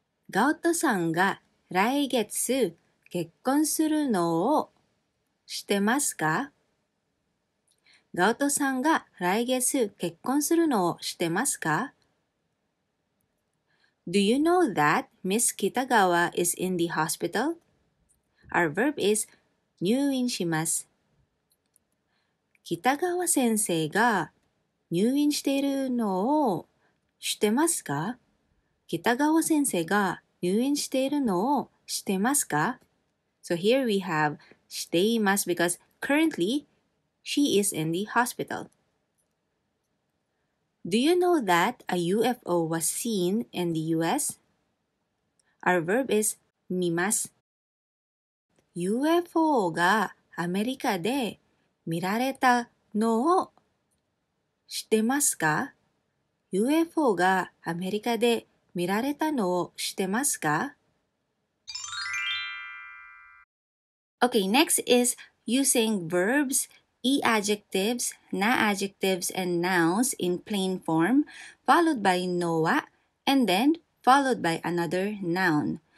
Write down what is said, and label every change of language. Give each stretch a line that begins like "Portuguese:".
Japanese: ガウトさんが来月結婚するのを知ってますか? ガウトさんが来月結婚するのを知ってますか?
English: Do you know that Miss Kitagawa is in the hospital? Our verb is
Japanese: 入院します。北川先生が入院しているのを知ってますか? 北川先生が入院しているのを知ってますか?
English: So here we have しています because currently she is in the hospital. Do you know that a UFO was seen in the US? Our verb is
Japanese: 見ます。 UFO がアメリカで見られたのを知ってますか？UFO がアメリカで見られたのを知ってますか？
English: Okay, next is using verbs, e-adjectives, na-adjectives, and nouns in plain form, followed by のは and then followed by another noun.